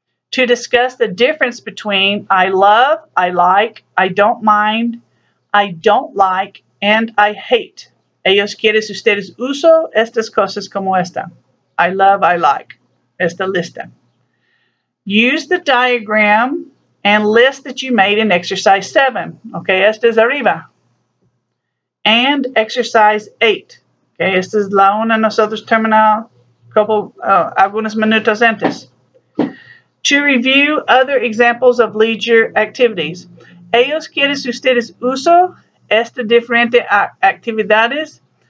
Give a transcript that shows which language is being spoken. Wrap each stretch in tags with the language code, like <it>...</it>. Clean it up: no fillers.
<en>To discuss the difference between I love, I like, I don't mind, I don't like, and I hate.</en> <es>Ellos quieren ustedes uso estas cosas como esta.</es> <en>I love, I like.</en> <es>Esta lista.</es> <en>Use the diagram and list that you made in exercise 7.</en> <es>Okay, esta es arriba.</es> <en>And exercise 8.</en> <es>Okay, esta es la una nosotros terminamos algunos minutos antes.</es> <en>To review other examples of leisure activities.</en> <es>Ellos quieren ustedes uso estas diferentes actividades.</es>